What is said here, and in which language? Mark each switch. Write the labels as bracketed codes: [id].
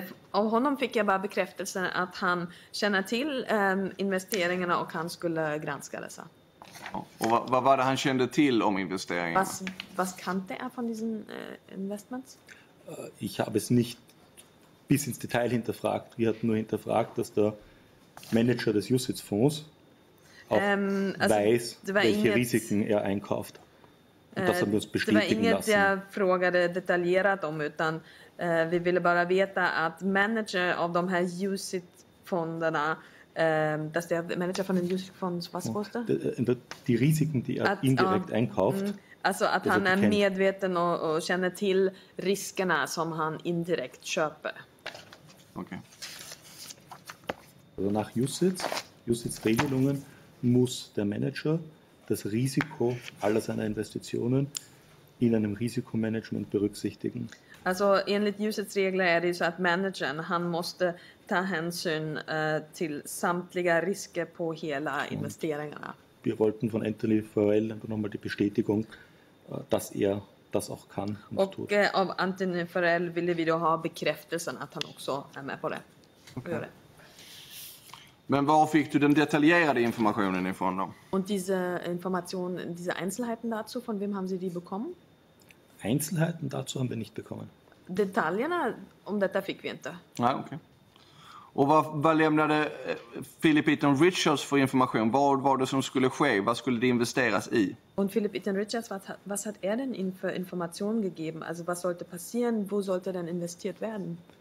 [sv] Av honom fick jag bara bekräftelse att han känner till investeringarna och han skulle granska dessa. Och vad var det han kände till om investeringarna? [de] Was kannte er von diesen Investments? Ich habe es nicht bis ins Detail hinterfragt. Wir hatten nur hinterfragt, dass der Manager des UCITS-Fonds auch weiß, welche Risiken er einkauft. Und das haben wir uns bestätigen lassen. [sv] Det var inget jag frågade detaljerat om, utan vi ville bara veta att manager av de här UCITS-fonderna, [de] dass der Manager von den UCITS-Fonds was wusste? Die Risiken, die er indirekt einkauft. [sv] Also, att han är medveten och känner till riskerna som han indirekt köper. Okay. [de] Also nach UCITS-Regelungen muss der Manager das Risiko aller seiner Investitionen in einem Risikomanagement berücksichtigen. [sv] Also enligt UCITS regler är det så att managern, han måste ta hänsyn till samtliga risker på hela investeringarna. [de] Wir wollten von Anthony Farrell nochmal die Bestätigung, dass er das auch kann und tut. [sv] Och av Anthony Farrell ville vi då ha bekräftelsen att han också är med på det. Okay. Men var fick du den detaljerade informationen ifrån då? [de] Und diese information, diese Einzelheiten dazu, von wem haben Sie die bekommen? Einzelheiten dazu haben wir nicht bekommen. [sv] Detaljerna om detta fick vi inte. Nej, okej. Och vad lämnade Philip Eaton Richards för information? Vad var det som skulle ske? Vad skulle det investeras i? [de] Und Philip Eaton Richards, was hat er denn in für Informationen gegeben? Also was sollte passieren? Wo sollte denn investiert werden?